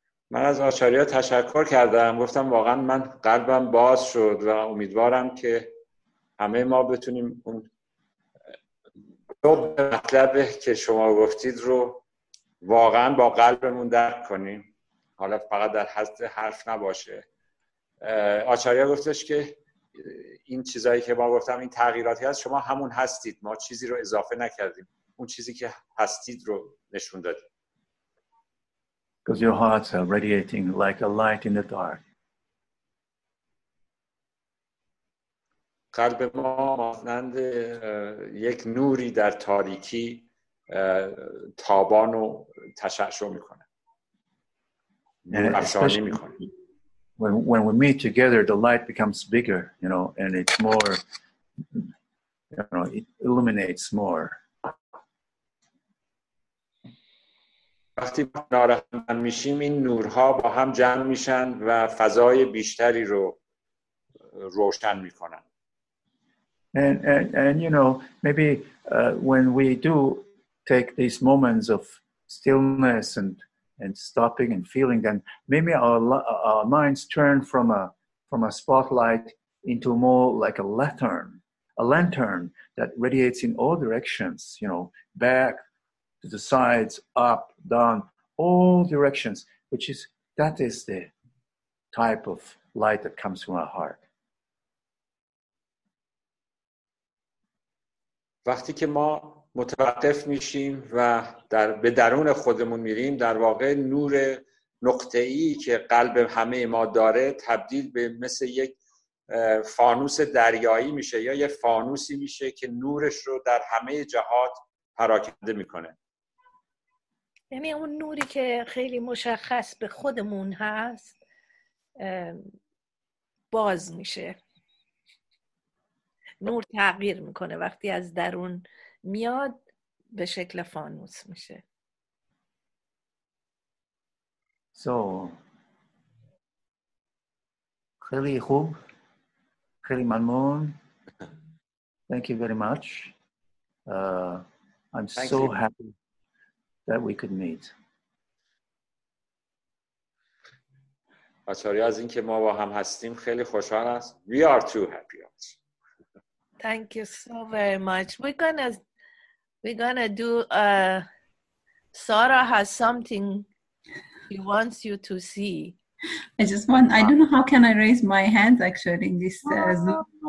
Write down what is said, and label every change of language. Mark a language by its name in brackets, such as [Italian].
[Persian] من از آچاریا تشکر کردم، گفتم واقعا من قلبم باز شد و امیدوارم که همه ما بتونیم اون دوبه مطلبه که شما گفتید رو واقعا با قلبمون درک کنیم، حالا فقط در حد حرف نباشه. آچاریا گفتش که این چیزایی که ما گفتم، این تغییراتی هست، شما همون هستید، ما چیزی رو اضافه نکردیم، اون چیزی که هستید رو نشون دادیم. [English] Because your hearts are radiating like a light in the dark. [Persian] قلب ما مانند یک نوری در تاریکی تابان و تشعشع میکنه. [English] When we meet together, the light becomes bigger, you know, and it's more, you know, it illuminates more. [Persian] وقتی کنار هم میشیم، این نورها با هم جمع میشن و فضای بیشتری رو روشن میکنن. [English] And you know, maybe when we do take these moments of stillness and stopping and feeling, then maybe our minds turn from a spotlight into more like a lantern that radiates in all directions, you know, back to the sides, up, down, all directions, which is the type of light that comes from our heart. [Persian] وقتی که ما متوقف میشیم و به درون خودمون میریم، در واقع نور نقطه‌ای که قلب همه ما داره تبدیل به مثل یک فانوس دریایی میشه، یا یک فانوسی میشه که نورش رو در همه جهات پراکنده میکنه. یعنی اون نوری که خیلی مشخص به خودمون هست باز میشه، نور تغییر میکنه، وقتی از درون میاد به شکل فانوس میشه. So خیلی خوب، خیلی ممنون. [English] Thank you very much. I'm Thank so you. happy that we could meet. [Persian] آچاریا از اینکه ما با هم هستیم خیلی خوشحال است. [English] We are too happy. Thank you so very much. We're gonna do Sara has something he wants you to see. I just want, I don't know how can I raise my hands actually in this Zoom.